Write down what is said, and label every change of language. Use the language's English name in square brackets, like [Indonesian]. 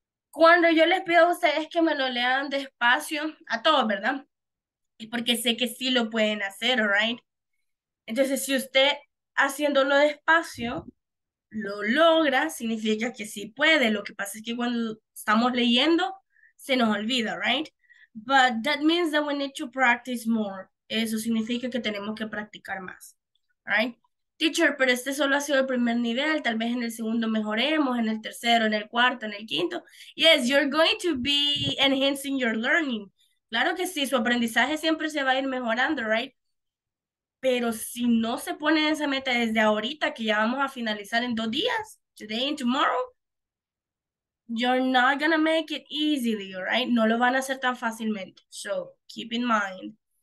[Spanish] Cuando yo les pido a ustedes que me lo lean despacio, a todos, ¿verdad? Es porque sé que sí lo pueden hacer, right? Entonces, si usted haciéndolo despacio lo logra, significa que sí puede. Lo que pasa es que cuando estamos leyendo, se nos olvida, right? [English] But that means that we need to practice more. [Spanish] Eso significa que tenemos que practicar más, right? Teacher, pero este solo ha sido el primer nivel, tal vez en el segundo mejoremos, en el tercero, en el cuarto, en el quinto. [English] Yes, you're going to be enhancing your learning. [Spanish] Claro que sí, su aprendizaje siempre se va a ir mejorando, right? Pero si no se pone esa meta desde ahorita, que ya vamos a finalizar en 2 días, [English] today and tomorrow, you're not gonna make it easily, right? [Spanish] No lo van a hacer tan fácilmente. [English] So, keep in mind.